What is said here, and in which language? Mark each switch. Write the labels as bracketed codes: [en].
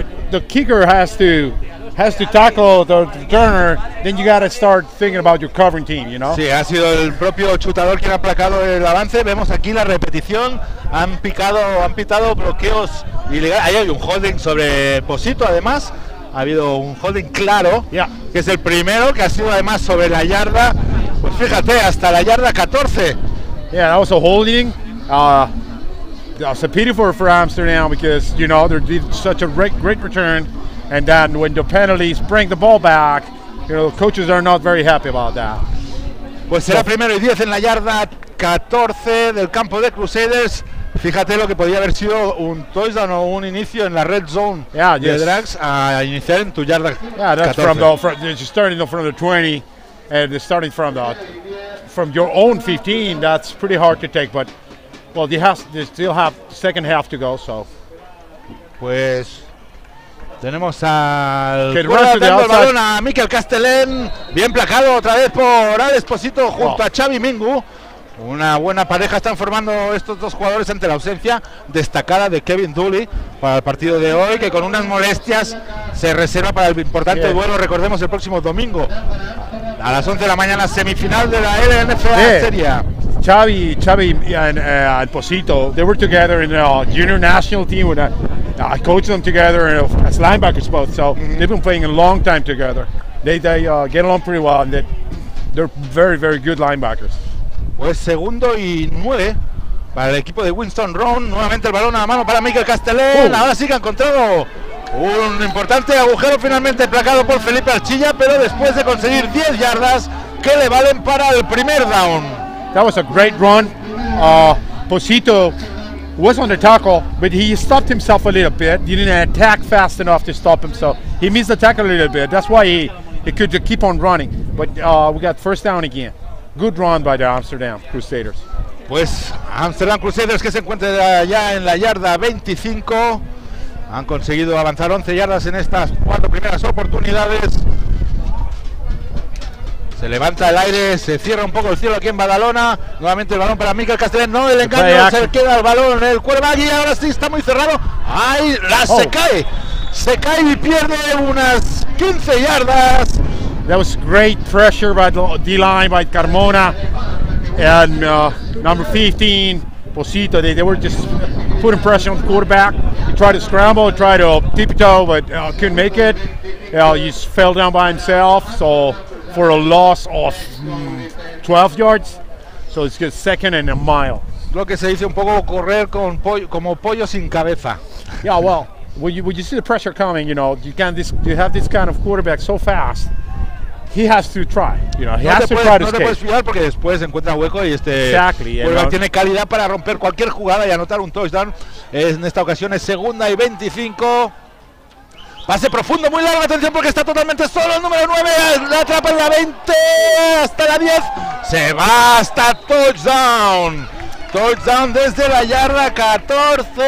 [en] The kicker has to tackle the returner, then you gotta start thinking about your covering team, you know? [es] Sí, ha sido el propio chutador quien ha aplacado el avance. Vemos aquí la repetición. Han pitado bloqueos ilegales. Ahí hay un holding sobre Posito, además. Ha habido un holding claro, yeah, que es el primero, que ha sido además sobre la yarda. Pues fíjate, hasta la yarda 14. [en] Yeah, that was a holding. It's a pity for Amsterdam because, you know, they did such a great return. And then when the penalties bring the ball back, you know, the coaches are not very happy about that. [es] Pues será primero y 10 en la yarda 14 del campo de Crusaders. Fíjate lo que podía haber sido un touchdown o un inicio en la red zone, yeah, de Drax a iniciar en tu yarda 14. [en] Yeah, that's 14. From the 20 and starting from your own 15. That's pretty hard to take, but well, they still have second half to go, so. [es] Pues tenemos al balón a Mikel Castellén, bien placado otra vez por Alex Posito junto a Xavi Mingu. Una buena pareja están formando estos dos jugadores ante la ausencia destacada de Kevin Dooley para el partido de hoy, que con unas molestias se reserva para el importante duelo, recordemos, el próximo domingo a las 11 de la mañana, semifinal de la LNFA Serie. [en] Xavi and Posito, they were together in a junior national team. I coached them together as linebackers both, so they've been playing a long time together. They get along pretty well, and they're very, very good linebackers. Pues segundo y 9 para el equipo de Winston Round. Nuevamente el balón a mano para Mikel Castellén. Ahora sí que ha encontrado un importante agujero, finalmente placado por Felipe Archilla, pero después de conseguir 10 yardas que le valen para el primer down. That was a great run. Posito was on the tackle, but he stopped himself a little bit. He didn't attack fast enough to stop him, so he missed the tackle a little bit. That's why he could just keep on running. But we got first down again. Good run by the Amsterdam Crusaders. [es] Pues Amsterdam Crusaders, que se encuentra ya en la yarda 25. Han conseguido avanzar 11 yardas en estas cuatro primeras oportunidades. Se levanta el aire, se cierra un poco el cielo aquí en Badalona. Nuevamente el balón para Mikel Castellén. No, el engaño, se queda el balón en el quarterback y ahora sí está muy cerrado. Ahí se cae. Se cae y pierde unas 15 yardas. [en] That was great pressure by the D-line, by Carmona. And number 15, Posito, they were just putting pressure on the quarterback. He tried to scramble, tried to tiptoe, but couldn't make it. He just fell down by himself. So for a loss of 12 yards, so it's just second and a mile. [es] Lo que se dice un poco correr con como pollo sin cabeza. [en] Yeah, well, when you see the pressure coming, you know, you have this kind of quarterback so fast, he has to try, you know, he has to try to escape. [es] No te puedes fiar porque después encuentra hueco y este quarterback tiene calidad para romper cualquier jugada y anotar un touchdown. En esta ocasión es segunda y 25. Pase profundo, muy larga, atención porque está totalmente solo el número 9, la atrapa en la 20, hasta la 10, se va hasta touchdown desde la yarda 14.